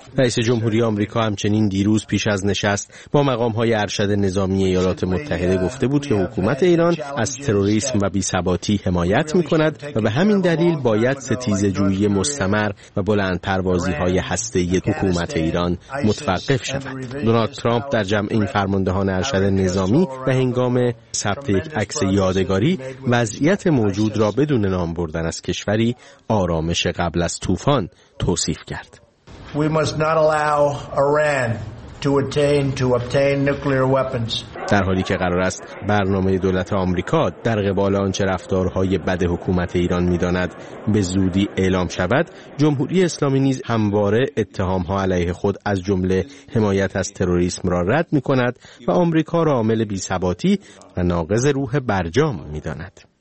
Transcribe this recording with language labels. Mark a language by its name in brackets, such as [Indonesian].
[Persian] رئیس جمهوری آمریکا همچنین دیروز پیش از نشست با مقام‌های ارشد نظامی ایالات متحده گفته بود که حکومت ایران از تروریسم و بی‌ثباتی حمایت می‌کند و به همین دلیل باید ستیزه‌جویی مستمر و بلند پروازی های هسته‌ای حکومت ایران متوقف شود. دونالد ترامپ در جمع این فرماندهان ارشد نظامی و هنگام ثبت یک عکس یادگاری وضعیت موجود را بدون نام بردن از کشوری آرامش قبل از طوفان توصیف کرد. [English] We must not allow Iran to obtain nuclear weapons. [Persian] در حالی که قرار است برنامه دولت آمریکا در قبال آنچه رفتارهای بد حکومت ایران می‌داند به زودی اعلام شود، جمهوری اسلامی نیز همواره اتهام‌ها علیه خود از جمله حمایت از تروریسم را رد می‌کند و آمریکا را عامل بی‌ثباتی و ناقض روح برجام می‌داند.